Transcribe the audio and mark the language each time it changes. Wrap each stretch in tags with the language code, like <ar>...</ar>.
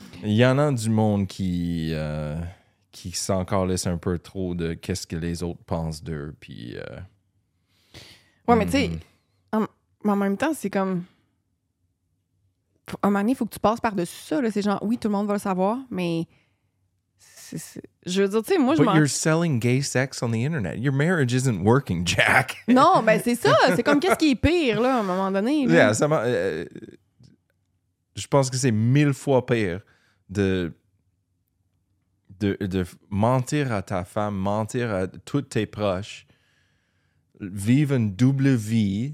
<fr>Il y en a du monde qui s'encore laisse un peu trop de qu'est-ce que les autres pensent d'eux, puis... Ouais, mais tu sais, en même temps, c'est comme... À un moment donné, il faut que tu passes par-dessus ça. Là. C'est genre, oui, tout le monde va le savoir, mais... C'est... Je veux dire, tu sais, moi,</fr> <en>But you're selling gay sex on the internet. Your marriage isn't working, Jack.</en> <fr>Non, ben c'est ça. C'est comme, qu'est-ce qui est pire, là, à un moment donné? Là. Yeah, ça m'a... Je pense que c'est 1000 fois pire de mentir à ta femme, mentir à tous tes proches... Vivre une double vie.</fr>